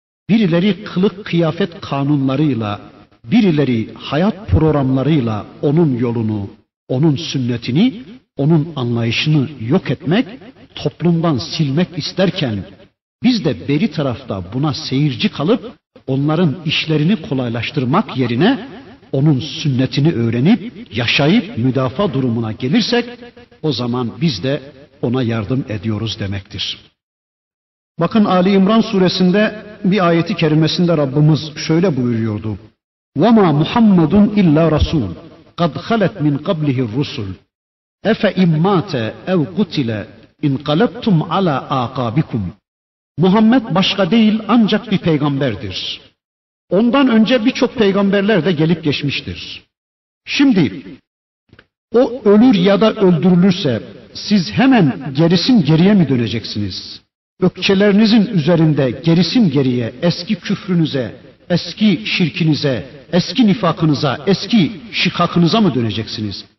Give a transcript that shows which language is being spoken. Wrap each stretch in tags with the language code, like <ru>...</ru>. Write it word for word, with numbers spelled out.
<tr>Birileri kılık kıyafet kanunlarıyla, birileri hayat programlarıyla onun yolunu, onun sünnetini, onun anlayışını yok etmek, toplumdan silmek isterken biz de beri tarafta buna seyirci kalıp onların işlerini kolaylaştırmak yerine onun sünnetini öğrenip, yaşayıp müdafaa durumuna gelirsek, o zaman biz de ona yardım ediyoruz demektir. Bakın Ali İmran suresinde bir ayeti kerimesinde Rabbimiz şöyle buyuruyordu.</tr> <ar>وَمَا مُحَمَّدٌ اِلَّا رَسُولٌ قَدْ خَلَتْ مِنْ قَبْلِهِ الرُّسُلُ اَفَاِمْ مَاتَ اَوْ قُتِلَ اِنْقَلَبْتُمْ عَلَى آقَابِكُمْ</ar> <tr>Muhammed başka değil ancak bir peygamberdir. Ondan önce birçok peygamberler de gelip geçmiştir. Şimdi o ölür ya da öldürülürse siz hemen gerisin geriye mi döneceksiniz? Ökçelerinizin üzerinde gerisin geriye eski küfrünüze, eski şirkinize, eski nifakınıza, eski şikakınıza mı döneceksiniz?</tr>